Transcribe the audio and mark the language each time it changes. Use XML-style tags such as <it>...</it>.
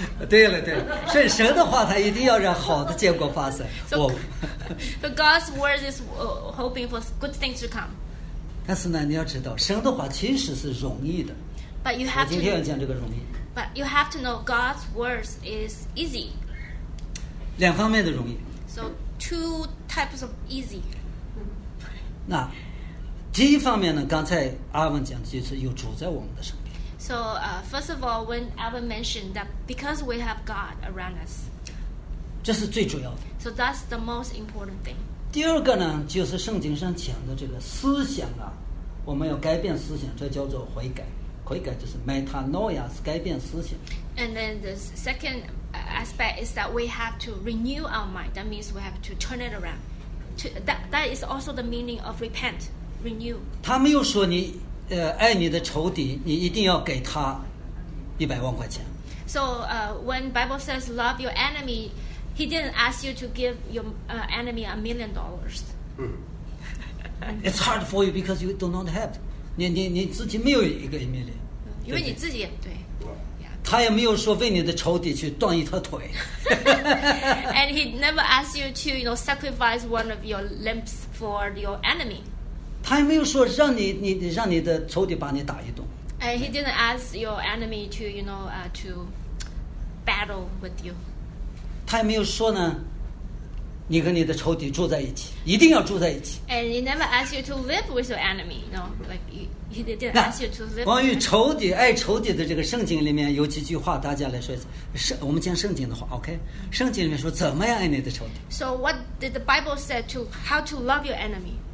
<zh>对了，所以神的话他一定要让好的结果发生。</zh> <en>So God's word is hoping for good things to come.</en> <zh>但是呢，你要知道，神的话其实是容易的。</zh> <en>But you have to.</en> <zh>我今天要讲这个容易。</zh> <en>But you have to know God's words is easy.</en> <zh>两方面的容易。</zh> <en>So two types of easy.</en> <zh>那第一方面呢？刚才阿文讲的就是有主在我们的身边。</zh> <en>So first of all, when Alvin mentioned that because we have God around us,</en> <zh>这是最主要的。</zh> <en>So that's the most important thing.</en> <zh>第二个呢，就是圣经上讲的这个思想啊，我们要改变思想，这叫做悔改。悔改就是 metanoia， 是改变思想。</zh> <en>And then the second aspect is that we have to renew our mind. That means we have to turn it around. That is also the meaning of repent, renew.</en> <zh>他没有说你。爱你的仇敌，你一定要给他100万块钱。</zh> <en>So, when Bible says love your enemy, he didn't ask you to give your enemy $1,000,000. It's hard for you because you do not have.</en> <zh>你自己没有一个million。因为你自己也对。他也没有说为你的仇敌去断一条腿。</zh> <en>And he never asked you to, you know, sacrifice one of your limbs for your enemy.</en> <zh>他也没有说让你的仇敌把你打一顿。</zh> <en>And he didn't ask your enemy to, you know, to battle with you.</en> <zh>他也没有说呢，你和你的仇敌住在一起，一定要住在一起。</zh> <en>And he never asked you to live with your enemy, you know, like he didn't ask you to live.</en> <zh>关于仇敌爱仇敌的这个圣经里面有几句话，大家来说一下。我们讲圣经的话 ，OK？ 圣经里面说怎么样爱你的仇敌</zh> <en>？So what did the Bible say to how to love your enemy?</en>